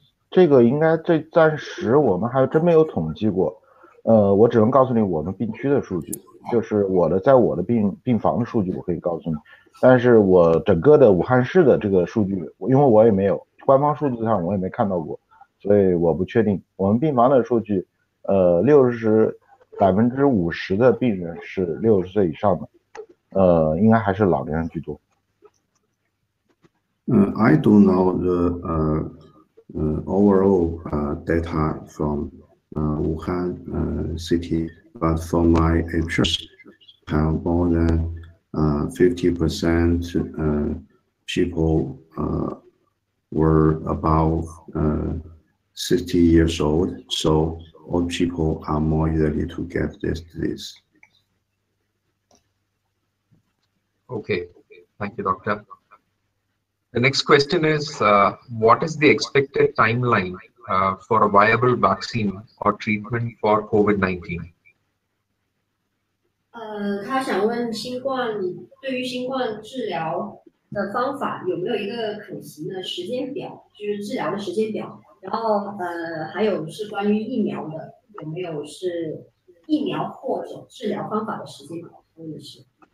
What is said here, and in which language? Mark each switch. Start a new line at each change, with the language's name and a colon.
Chinese: 这个应该这暂时我们还真没有统计过，我只能告诉你我们病区的数据，就是我的在我的病房的数据我可以告诉你，但是我整个的武汉市的这个数据，因为我也没有官方数据上我也没看到过，所以我不确定我们病房的数据。 60%的病人是60岁以上的，应该还是老年人居多。
English: I don't know the overall data from Wuhan city, but for my experience, have more than 50% people were above 60 years old, so old people are more likely to get this disease. Okay, thank you, doctor. The next question is, what is the expected timeline for a viable vaccine or treatment for COVID-19?
Chinese: 他想问新冠，对于新冠治疗的方法有没有一个可行的时间表，就是治疗的时间表，然后还有是关于疫苗的，有没有是疫苗或者治疗方法的时间表，或者是